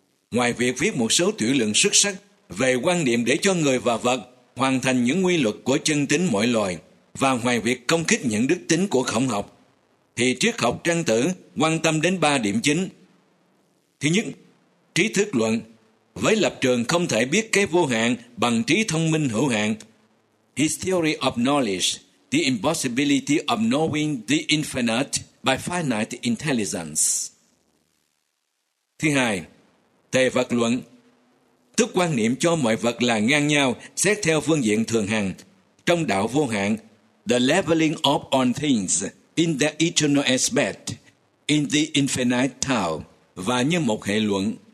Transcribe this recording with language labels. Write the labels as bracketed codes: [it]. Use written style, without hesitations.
[vi] Ngoài việc viết một số tiểu luận xuất sắc về quan niệm để cho người và vật hoàn thành những quy luật của chân tính mọi loài và ngoài việc công kích những đức tính của Khổng học, thì triết học Trang Tử quan tâm đến ba điểm chính. Thứ nhất, trí thức luận, với lập trường không thể biết cái vô hạn bằng trí thông minh hữu hạn. [en] His theory of knowledge, the impossibility of knowing the infinite by finite intelligence. [vi] Thứ hai, tề vật luận, tức quan niệm cho mọi vật là ngang nhau, xét theo phương diện thường hằng, trong đạo vô hạn, [en] the leveling of all things in the eternal aspect, in the infinite Tao, [vi] và như một hệ luận.